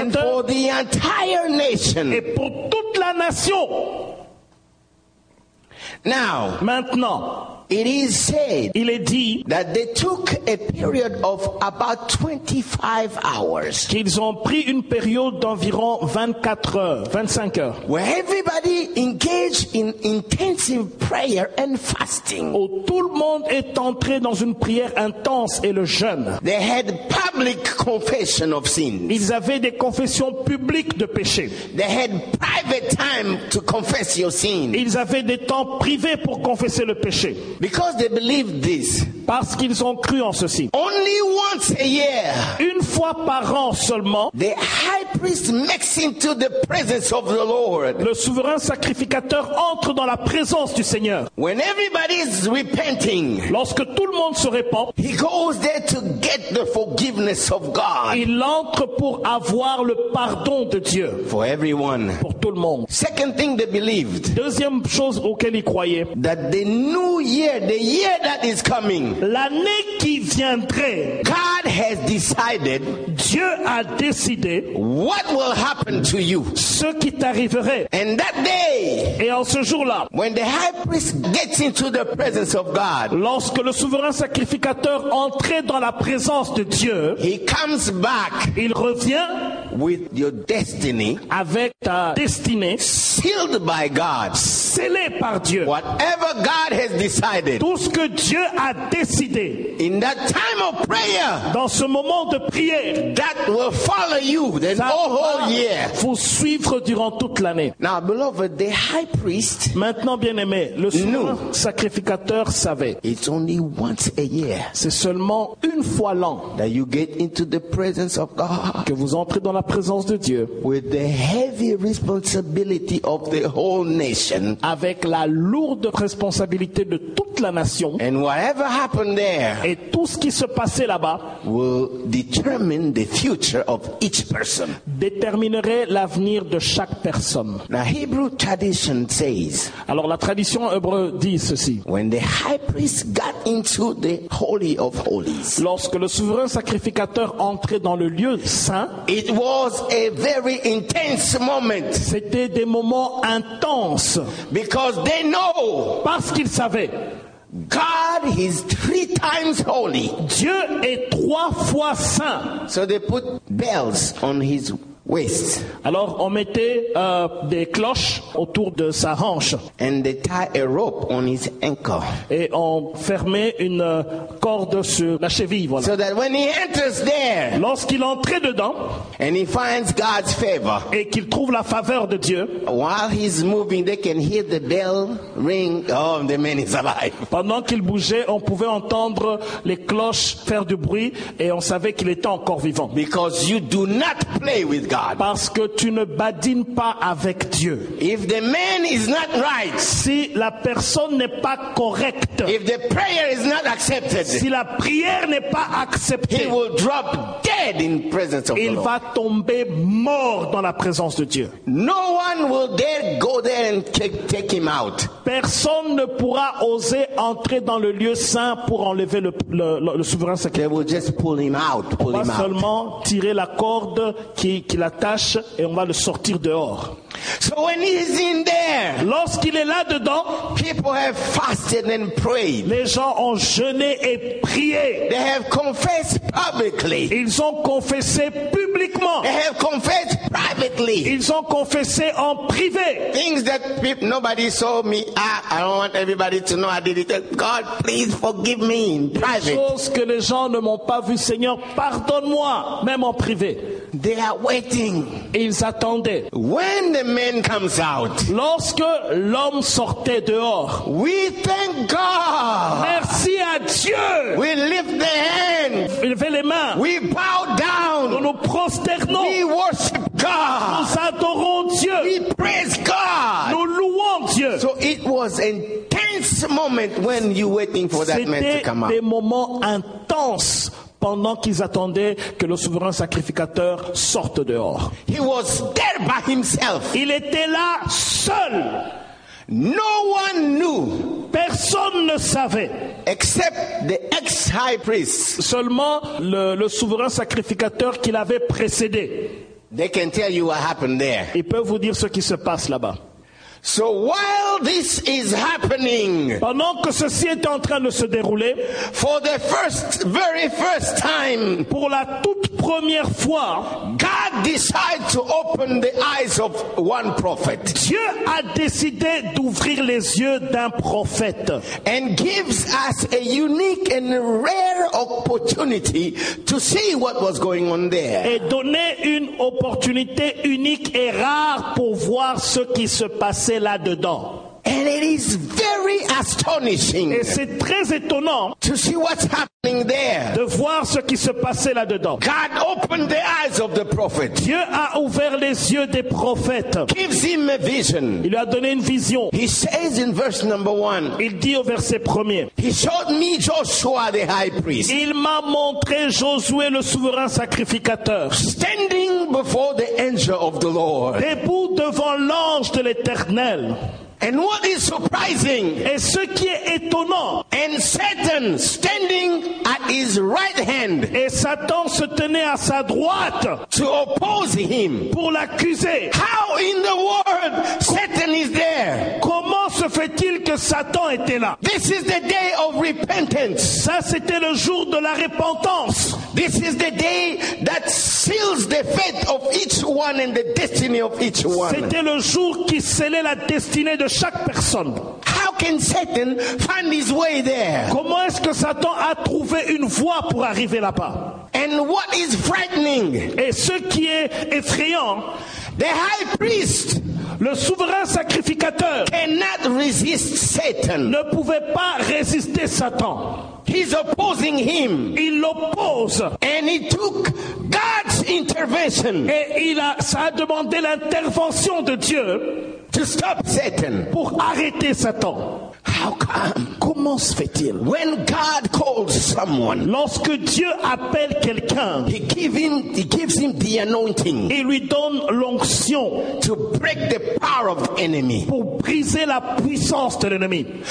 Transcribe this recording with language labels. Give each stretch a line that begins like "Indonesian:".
English: and for the entire nation,
French: et pour toute la nation.
English: Now,
French: maintenant,
English: it is said,
French: il est dit,
English: that they took a period of about 25 hours,
French: qu'ils ont pris une période d'environ 24 heures, 25 heures,
English: where everybody engaged in intensive prayer and fasting,
French: où tout le monde est entré dans une prière intense et le jeûne.
English: They had public confession of sins,
French: ils avaient des confessions publiques de péchés.
English: They had private time to confess your sins,
French: ils avaient des temps privés pour confesser le péché.
English: Because they believed this,
French: parce qu'ils ont cru en ceci.
English: Only once a year,
French: une fois par an seulement,
English: the high priest makes into the presence of the Lord.
French: Le souverain sacrificateur entre dans la présence du Seigneur.
English: When everybody is repenting,
French: lorsque tout le monde se répand,
English: he goes there to get the forgiveness of God.
French: Il entre pour avoir le pardon de Dieu.
English: For everyone,
French: pour tout le monde.
English: Second thing they believed,
French: deuxième chose auquel ils croyaient,
English: that they knew. Year, the year that is coming,
French: l'année qui viendrait,
English: God has decided,
French: Dieu a décidé,
English: what will happen to you,
French: ce qui t'arriverait,
English: and that day,
French: et en ce jour-là,
English: when the high priest gets into the presence of God,
French: lorsque le souverain sacrificateur entrait dans la présence de Dieu,
English: he comes back,
French: il revient,
English: with your destiny,
French: avec ta destinée,
English: sealed by God,
French: scellé par Dieu,
English: whatever God has decided,
French: tout ce que Dieu a décidé,
English: in that time of prayer,
French: dans ce moment de prière,
English: that will follow you the whole year,
French: vous suivre durant toute l'année.
English: Now, beloved, the high priest,
French: maintenant bien-aimé, le sacrificateur savait,
English: it's only once a year,
French: c'est seulement une fois l'an,
English: that you get into the presence of God,
French: que vous entrez dans la présence de Dieu,
English: with the heavy responsibility of the whole nation,
French: avec la lourde responsabilité de toute la nation,
English: and whatever happened there,
French: et tout ce qui se passait là-bas,
English: will determine the future of each person,
French: déterminerait l'avenir de chaque personne.
English: Now, Hebrew tradition says,
French: alors la tradition hébreu dit ceci,
English: when the high priest got into the holy of holies,
French: lorsque le souverain sacrificateur entrait dans le lieu saint,
English: it was a very intense moment,
French: c'était des moments intenses,
English: because they know,
French: parce qu'ils savaient,
English: God is three times holy,
French: Dieu est trois fois saint.
English: So they put bells on his waist.
French: Alors on mettait des cloches autour de sa hanche.
English: And they tie a rope on his ankle.
French: Et on fermait une corde sur la cheville. Voilà.
English: So that when he enters there,
French: lorsqu'il entrait dedans,
English: and he finds God's favor,
French: et qu'il trouve la faveur de Dieu,
English: while he's moving, they can hear the bell ring. Oh, the man is alive.
French: Pendant qu'il bougeait, on pouvait entendre les cloches faire du bruit et on savait qu'il était encore vivant.
English: Because you do not play with God.
French: Parce que tu ne badines pas avec Dieu.
English: If the man is not right,
French: si la personne n'est pas correcte,
English: if the prayer is not accepted,
French: si la prière n'est pas acceptée,
English: he will drop dead in presence of
French: il
English: the
French: va
English: Lord.
French: Tomber mort dans la présence de Dieu.
English: No one will dare go there and take him out.
French: Personne ne pourra oser entrer dans le lieu saint pour enlever le souverain sacré.
English: They will just pull him out, pull
French: on va
English: him
French: seulement
English: out.
French: Tirer la corde qui l'attache et on va le sortir dehors.
English: So when he's in there,
French: lorsqu'il est là dedans,
English: people have fasted and prayed.
French: Les gens ont jeûné et prié.
English: They have confessed publicly.
French: Ils ont confessé publiquement.
English: They have confessed privately.
French: Ils ont confessé en privé.
English: Things that people, nobody saw me. I don't want everybody to know I did it. God, please forgive me in private.
French: Les choses que les gens ne m'ont pas vu, Seigneur, pardonne-moi, même en privé.
English: They are waiting.
French: Ils attendaient.
English: When the man comes out,
French: lorsque l'homme sortait dehors,
English: we thank God.
French: Merci à Dieu.
English: We lift the hands.
French: Levez les mains.
English: We bow down.
French: Nous nous prosternons.
English: We worship God.
French: Nous adorons Dieu.
English: We praise God.
French: Nous louons Dieu.
English: So it was intense moment when you waiting for that man to come out.
French: Des moments intenses. Pendant qu'ils attendaient que le souverain sacrificateur sorte dehors.
English: He was there by himself.
French: Il était là seul.
English: No one knew.
French: Personne ne savait.
English: Except the ex-high priest.
French: Seulement le souverain sacrificateur qui l'avait précédé.
English: They can tell you what happened there.
French: Ils peuvent vous dire ce qui se passe là-bas.
English: So while this is happening,
French: pendant que ceci est en train de se dérouler,
English: for the first, very first time,
French: pour la toute première fois,
English: God decided to open the eyes of one prophet.
French: Dieu a décidé d'ouvrir les yeux d'un prophète,
English: and gives us a unique and rare opportunity to see what was going on there.
French: Et donner une opportunité unique et rare pour voir ce qui se passait. C'est là-dedans.
English: And it is very astonishing.
French: Et c'est très étonnant.
English: To see what's happening there.
French: De voir ce qui se passait là-dedans.
English: God opened the eyes of the prophet.
French: Dieu a ouvert les yeux des prophètes.
English: Gives him a vision.
French: Il lui a donné une vision.
English: He says in verse number one.
French: Il dit au verset premier.
English: He showed me Joshua the high priest.
French: Il m'a montré Josué le souverain sacrificateur.
English: Standing before the angel of the Lord.
French: Debout devant l'ange de l'Éternel.
English: And what is surprising?
French: Et ce qui est étonnant.
English: And Satan standing at his right hand.
French: Et Satan se tenait à sa droite.
English: To oppose him.
French: Pour l'accuser.
English: How in the world Satan is there?
French: Comment se fait-il que Satan était là?
English: This is the day of repentance.
French: Ça c'était le jour de la repentance.
English: This is the day that seals the fate of each one and the destiny of each one.
French: C'était le jour qui scellait la destinée de chaque personne.
English: How can Satan find his way there?
French: Comment est-ce que Satan a trouvé une voie pour arriver là-bas?
English: And what is frightening?
French: Et ce qui est effrayant,
English: the high priest,
French: le souverain sacrificateur,
English: cannot resist Satan.
French: Ne pouvait pas résister Satan.
English: He's opposing him.
French: Il l'oppose.
English: And he took God's intervention.
French: Et ça a demandé l'intervention de Dieu.
English: To stop Satan.
French: Pour arrêter Satan.
English: How come?
French: Comment se fait-il?
English: When God calls someone,
French: lorsque Dieu appelle quelqu'un,
English: he gives him the anointing.
French: Il lui donne l'onction.
English: To break the power of the enemy.
French: Pour briser la puissance de l'ennemi.